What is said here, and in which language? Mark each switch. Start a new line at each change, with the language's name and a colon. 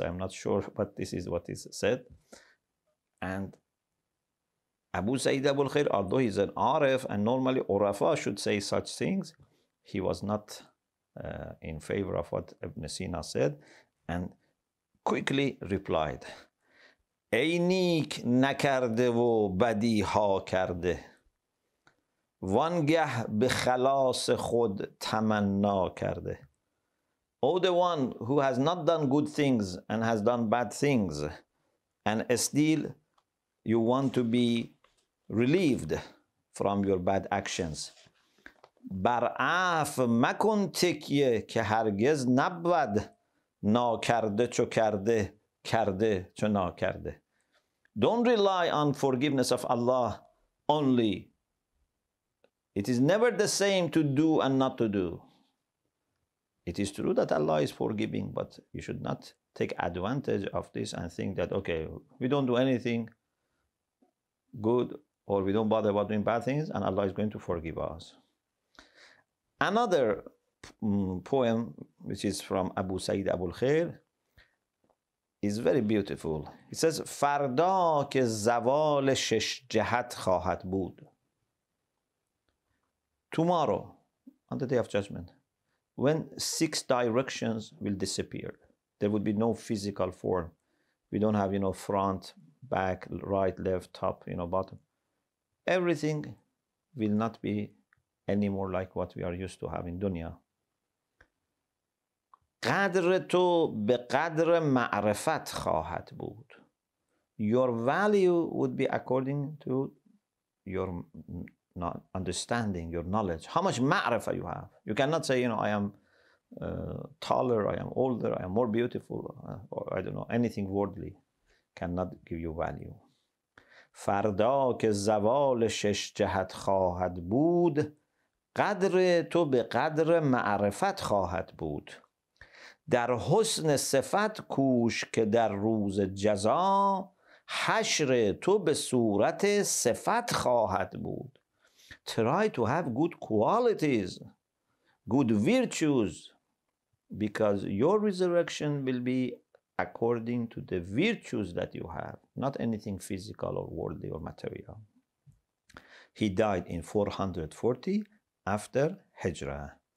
English: I'm not sure, but this is what is said. And Abu Sa'id Abul Khair, although he's an Arif, and normally Urafa should say such things, he was not in favor of what Ibn Sina said. And quickly replied,
Persian: ای نیک نکرده و بدی ها کرده وانگه به خلاص خود تمنا کرده.
English: O the one who has not done good things and has done bad things, and still you want to be relieved from your bad actions.
Persian: بر عف مکن تکیه که هرگز نبود نا کرده چو کرده کرده چو نا کرده.
English: Don't rely on forgiveness of Allah only. It is never the same to do and not to do. It is true that Allah is forgiving, but you should not take advantage of this and think that, okay, we don't do anything good or we don't bother about doing bad things and Allah is going to forgive us. Another poem, which is from Abu Sayyid Abul Khair, is very beautiful. It says,
Persian: فردا که زوال شش جهت خواهد بود.
English: Tomorrow, on the day of judgment, when six directions will disappear, there would be no physical form. We don't have, you know, front, back, right, left, top, you know, bottom. Everything will not be anymore like what we are used to have in dunya.
Persian: قدر تو به قدر معرفت خواهد بود.
English: Your value would be according to your understanding, your knowledge. How much ma'rifah you have. You cannot say, you know, I am taller, I am older, I am more beautiful, or I don't know, anything worldly cannot give you value.
Persian: فردا که زوال شش جهت خواهد بود قدر تو به قدر معرفت خواهد بود. در حسن صفت کوش که در روز جزا حشر تو به صورت صفت خواهد بود.
English: Try to have good qualities, good virtues, because your resurrection will be according to the virtues that you have, not anything physical or worldly or material. He died in 440 after Hijra.